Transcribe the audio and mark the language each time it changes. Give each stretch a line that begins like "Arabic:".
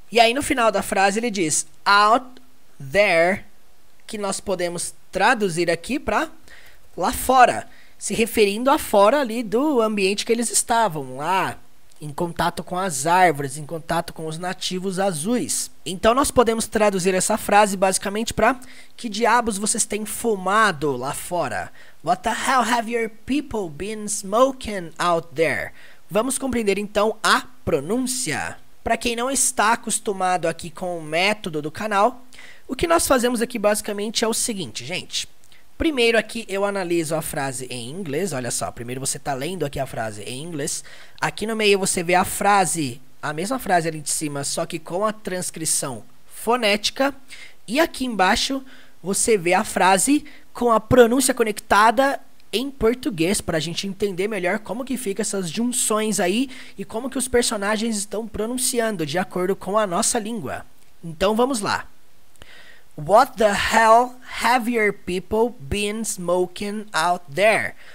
Portuguese: E aí no final da frase ele diz
English: out there,
Portuguese: que nós podemos traduzir aqui para lá fora, se referindo a fora ali do ambiente que eles estavam, lá em contato com as árvores, em contato com os nativos azuis. Então nós podemos traduzir essa frase basicamente para que diabos vocês têm fumado lá fora?
English: What the hell have your people been smoking out there?
Portuguese: Vamos compreender então a pronúncia. Para quem não está acostumado aqui com o método do canal, o que nós fazemos aqui basicamente é o seguinte, gente. Primeiro aqui eu analiso a frase em inglês, olha só. Primeiro você está lendo aqui a frase em inglês. Aqui no meio você vê a frase, a mesma frase ali de cima, só que com a transcrição fonética. E aqui embaixo você vê a frase com a pronúncia conectada em português, para a gente entender melhor como que fica essas junções aí e como que os personagens estão pronunciando de acordo com a nossa língua. Então vamos lá.
English: What the hell have your people been smoking out there?